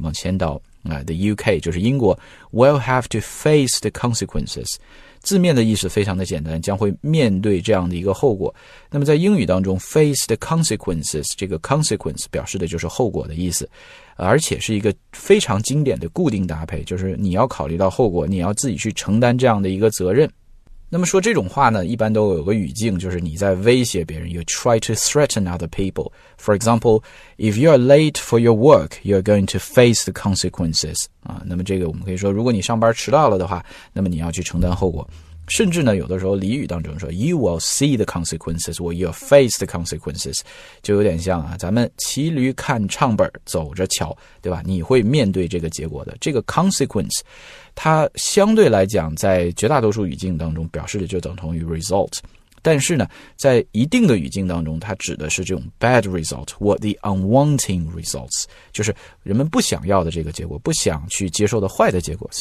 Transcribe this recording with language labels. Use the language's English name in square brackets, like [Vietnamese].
[Chinese] 往前倒 [English] The UK, [Chinese] 就是英国 [English] will have to face the consequences. [Chinese] 字面的意思非常的简单，将会面对这样的一个后果。那么在英语当中 [English] face the consequences, [Chinese] 这个 consequence 表示的就是后果的意思，而且是一个非常经典的固定搭配，就是你要考虑到后果，你要自己去承担这样的一个责任。那么说这种话呢，一般都有个语境，就是你在威胁别人， [English] you try to threaten other people. For example, if you are late for your work, you are going to face the consequences. [Chinese] 啊，那么这个我们可以说，如果你上班迟到了的话，那么你要去承担后果。甚至呢，有的时候俚语当中说 [English] you will see the consequences [Chinese] or you'll face the consequences, 就有点像啊，咱们骑驴看唱本走着瞧，对吧，你会面对这个结果的。这个 consequence 它相对来讲在绝大多数语境当中表示的就等同于 result, 但是呢在一定的语境当中它指的是这种 [English] bad result or the unwanting results, [Chinese] 就是人们不想要的这个结果，不想去接受的坏的结果。